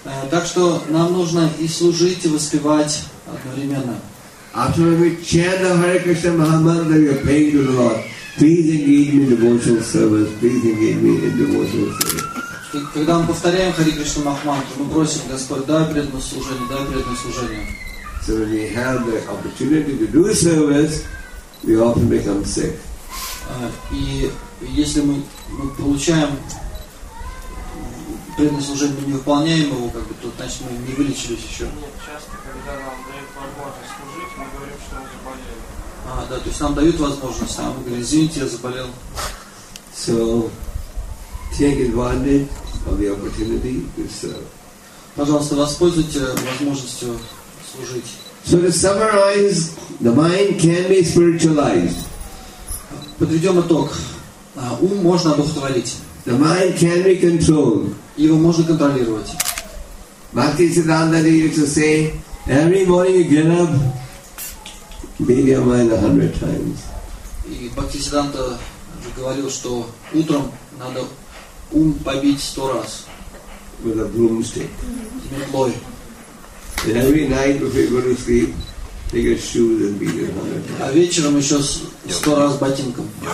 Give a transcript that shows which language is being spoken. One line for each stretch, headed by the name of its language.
Russian: Так что нам нужно и служить, и воспевать одновременно.
English: After we chant the Hare Krishna Mahamantra, we are praying to the Lord. Please engage me in devotional service. Please engage me in devotional service.
Russian: Когда мы повторяем Hare Krishna Mahamantra, мы просим Господь, дай преданное служение, дай преданное служение.
English: So when we have the opportunity to do service, we often become sick.
Russian: И если мы получаем преданное служение, мы не выполняем его, как бы, то, значит, мы не вылечились еще. Нет, часто, когда нам дают возможность служить, мы говорим, что мы заболели. А, да, то есть нам дают возможность, а мы говорим, извините, я заболел.
English: So, take advantage of the opportunity to serve.
Russian: Пожалуйста, воспользуйте возможностью служить.
English: So, to summarize, the mind can be spiritualized.
Russian: Подведем итог. Ум можно одухотворить.
English: The mind can be controlled.
Russian: Его можно контролировать.
English: Bhakti Siddhanta used to say, every morning you get up, maybe your mind 100 times.
Russian: И Бхактисиддханта говорил, что утром надо ум побить 100 раз.
English: With a broomstick.
Russian: Метлой.
English: And every night before you go to sleep, take your shoes and beat your hand.
Russian: А вечером еще 100 раз ботинком.